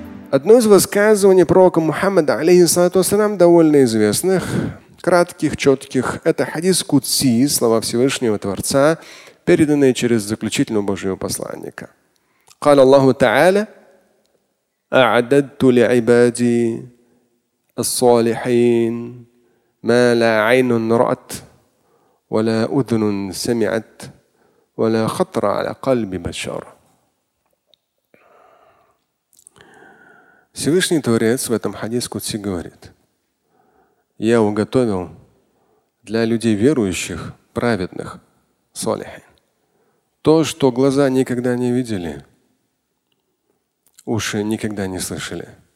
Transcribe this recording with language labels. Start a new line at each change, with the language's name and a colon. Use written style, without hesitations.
Russian: Одно из высказываний пророка Мухаммада, алейхиссалату вассалям, довольно известных, кратких, четких. Это хадис Кудси, слова Всевышнего Творца, переданные через заключительного Божьего посланника.
Arabic: قال الله تعالى أعددت لعبادي الصالحين ما لا عين رأت ولا أذن سمعت ولا خطر على قلب بشر.
Russian: Всевышний Творец в этом хадис Кудси говорит: я уготовил для людей верующих, праведных, салихин, то, что глаза никогда не видели, уши никогда не слышали.